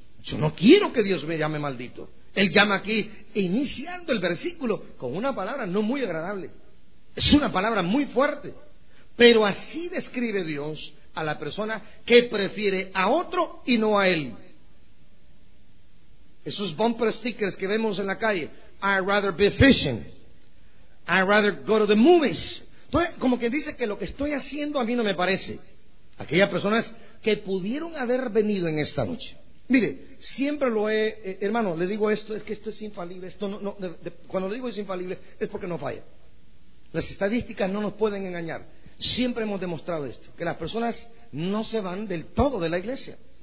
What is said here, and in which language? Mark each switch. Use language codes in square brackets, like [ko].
[es] Yo no quiero que Dios me llame maldito. Él llama aquí, iniciando el versículo, con una palabra no muy agradable. Es una palabra muy fuerte. Pero así describe Dios a la persona que prefiere a otro y no a Él. Esos bumper stickers que vemos en la calle, [en] I'd rather be fishing, I'd rather go to the movies. [es] Entonces, como que dice que lo que estoy haciendo a mí no me parece. Aquellas personas que pudieron haber venido en esta noche. Mire, siempre lo he, hermano, le digo esto, es que esto es infalible, esto cuando le digo es infalible, es porque no falla. Las estadísticas no nos pueden engañar. Siempre hemos demostrado esto, que las personas no se van del todo de la iglesia.